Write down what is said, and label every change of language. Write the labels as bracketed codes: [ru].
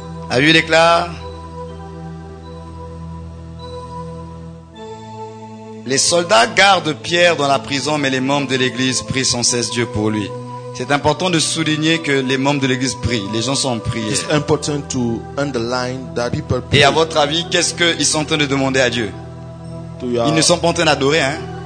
[fr] A vu l'éclat. Les soldats gardent Pierre dans la prison, mais les membres de l'église prient sans cesse Dieu pour lui. C'est important de souligner que les membres de l'église prient. Les gens sont en prière. [en] It's important to underline that people pray. [fr] Et à votre avis, qu'est-ce qu'ils sont en train de demander à Dieu? Ils ne sont pas en train d'adorer, hein?